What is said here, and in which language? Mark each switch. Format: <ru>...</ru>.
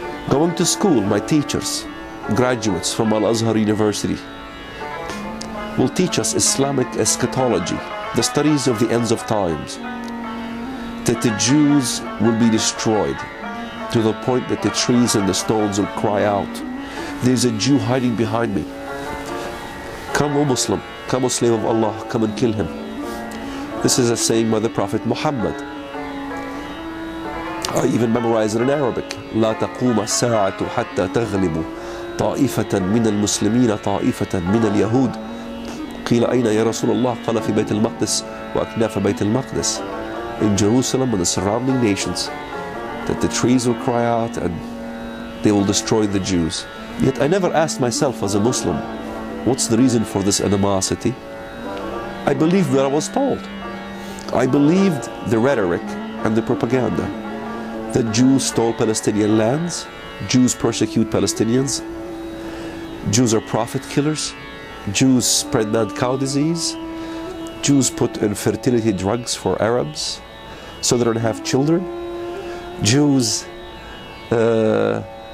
<en>Going to school, my teachers, graduates from Al-Azhar University, will teach us Islamic eschatology, the studies of the ends of times, that the Jews will be destroyed to the point that the trees and the stones will cry out, there's a Jew hiding behind me. Come, O Muslim, come, O slave of Allah, come and kill him. This is a saying by the Prophet Muhammad. I even memorized it in Arabic.</en> <ar>لا تقوم الساعة حتى تغلب طائفة من المسلمين طائفة من اليهود. قيل أين يا رسول الله؟ قال في بيت المقدس وأكناف بيت المقدس.</ar> <en>In Jerusalem and the surrounding nations, that the trees will cry out and they will destroy the Jews. Yet I never asked myself as a Muslim, what's the reason for this animosity? I believed what I was told. I believed the rhetoric and the propaganda that Jews stole Palestinian lands, Jews persecute Palestinians, Jews are prophet killers, Jews spread mad cow disease, Jews put infertility drugs for Arabs so they don't have children, Jews, the</en>